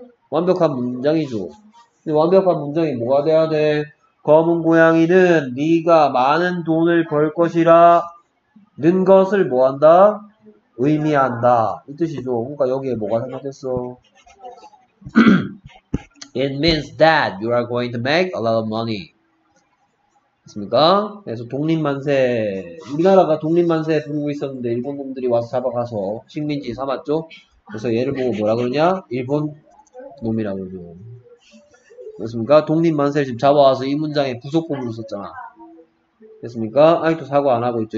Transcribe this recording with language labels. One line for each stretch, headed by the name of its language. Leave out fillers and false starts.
Korean: 완벽한 문장이죠. 완벽한 문장이 뭐가 돼야 돼? 검은 고양이는 네가 많은 돈을 벌 것이라 는 것을 뭐한다? 의미한다. 이 뜻이죠. 그러니까 여기에 뭐가 생각됐어?
English: It means that you are going to make a lot of money.
Korean: 맞습니까? 그래서 독립만세. 우리나라가 독립만세 부르고 있었는데 일본 놈들이 와서 잡아가서 식민지 삼았죠? 그래서 얘를 보고 뭐라 그러냐? 일본 놈이라고 그러죠. 됐습니까? 독립만세를 지금 잡아와서 이 문장에 부속법으로 썼잖아. 됐습니까? 아직도 사과 안 하고 있죠.